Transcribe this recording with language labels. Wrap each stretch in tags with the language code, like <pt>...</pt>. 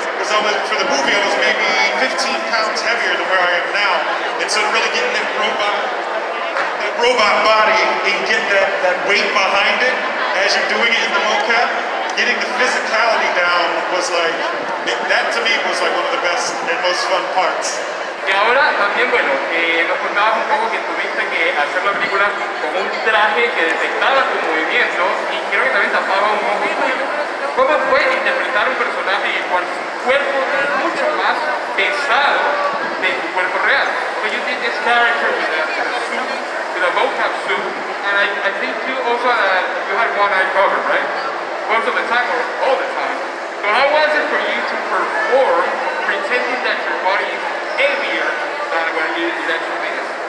<en>For the movie, I was maybe 15 pounds heavier than where I am now. And so to really get that robot body and get that weight behind it as you're doing it in the mocap, getting the physicality down was like, that to me was like one of the best and most fun parts.</en> <es>Y ahora también, bueno, nos contabas un poco que tuviste que hacer la película con un traje que detectaba tu movimiento y creo que también tapaba un poco tuyo. ¿Cómo fue interpretar un personaje en el cual su cuerpo es mucho más pesado de tu cuerpo real?</es> <en>But you did this character with a suit, with a mocap suit, and I think you also you had one eye covered, right? Most of the time, or all the time. So how was it for you to perform pretending that your body is heavier than what it actually is?</en>